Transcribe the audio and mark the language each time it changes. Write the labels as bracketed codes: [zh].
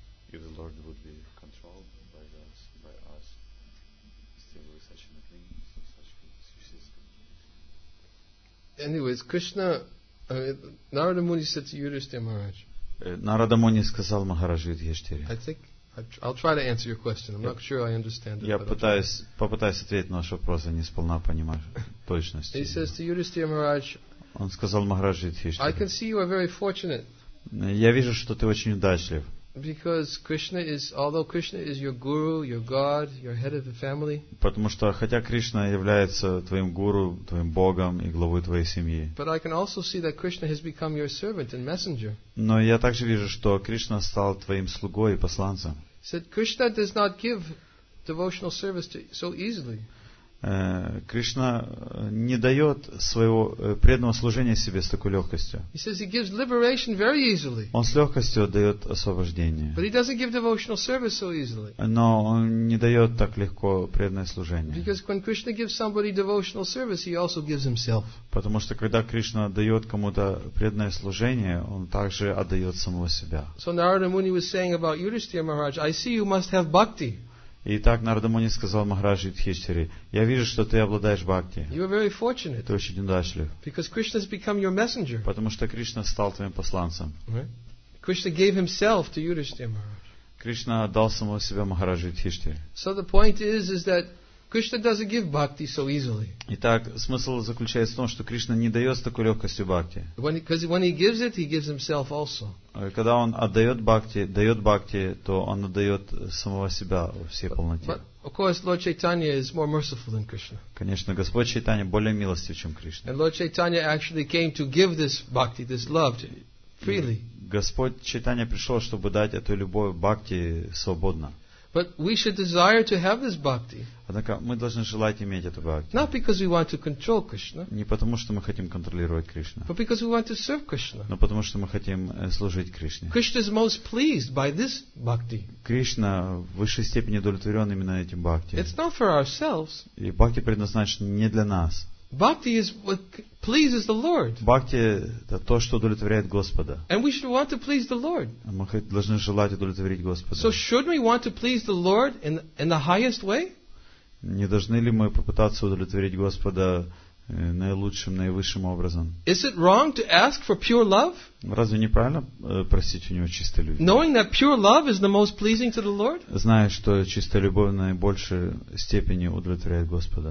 [en] If the Lord would be controlled by us, still with such a thing, such system. Anyways, Krishna, Narada Muni said to Yudhishthira Maharaj. [ru] Narada Muni сказал Махараджу Юдхиштхире. [en] I think I'll try to answer your question. I'm not sure I understand it. [ru] Я попытаюсь ответить на ваш вопрос, я не сполна понимаю точности. [en] He says to Yudhishthira Maharaj. [ru] Он сказал Махараджу Юдхиштхире. [en] I can see you are very fortunate. [ru] Я вижу, что ты очень удачлив. [en] Because Krishna is, although Krishna is your guru, your god, your head of the family. [ru] Потому что хотя Кришна является твоим гуру, твоим богом и главой твоей семьи. [en] But I can also see that Krishna has become your servant and messenger. [ru] Но я также вижу, что Кришна стал твоим слугой и посланцем. [en] Said Krishna does not give devotional service to so easily. [ru] Кришна не дает своего преданного служения себе с такой легкостью. [en] He says he gives liberation very easily. [ru] Он с легкостью дает освобождение. [en] But he doesn't give devotional service so easily. [ru] Но он не дает так легко преданное служение. [en] Because when Krishna gives somebody devotional service, he also gives himself. [ru] Потому что когда Кришна дает кому-то преданное служение, он также отдает самого себя. [en] So Narada Muni was saying about Yudhishthira Maharaj, I see you must have bhakti. [ru] И так Нарада Муни сказал Махараджу Юдхиштхире, я вижу, что ты обладаешь бхакти. Ты очень удачлив. [en] Because Krishna has become your messenger. [ru] Потому что Кришна стал твоим посланцем. [en] Right? Krishna gave himself to Yudhishthira Maharaj. [ru] Кришна отдал самого себя Махараджу Юдхиштхире. [en] So the point is that Krishna doesn't give bhakti so easily. [ru] Итак, смысл заключается в том, что Кришна не дает с такой легкостью бхакти. [en] Because when he gives it, he gives himself also. [ru] Когда он отдает бхакти, то он отдает самого себя во всей полноте. [en] But Of course, Lord Chaitanya is more merciful than Krishna. [ru] Конечно, Господь Чайтанья более милостив, чем Кришна. [en] And Lord Chaitanya actually came to give this bhakti, this love, freely. [ru] Господь Чайтанья пришел, чтобы дать эту любовь бхакти свободно. [en] But we should desire to have this bhakti. [ru] Однако мы должны желать иметь эту бхакти. [en] Not because we want to control Krishna. [ru] Не потому что мы хотим контролировать Кришну. [en] But because we want to serve Krishna. [ru] Но потому что мы хотим служить Кришне. [en] Krishna is most pleased by this bhakti. [ru] Кришна в высшей степени удовлетворен именно этим бхакти. [en] It's not for ourselves. [ru] И бхакти предназначен не для нас. [en] Bhakti is what pleases the Lord. [ru] Бхакти это то, что удовлетворяет Господа. [en] And we should want to please the Lord. [ru] Мы должны желать удовлетворить Господа. [en] So should we want to please the Lord in the highest way? [ru] Не должны ли мы попытаться удовлетворить Господа наилучшим, наивысшим образом? [en] Is it wrong to ask for pure love? [ru] Разве не правильно просить у него чистой любви? [en] Knowing that pure love is the most pleasing to the Lord? [ru] Зная, что чистая любовь наибольшей степени удовлетворяет Господа.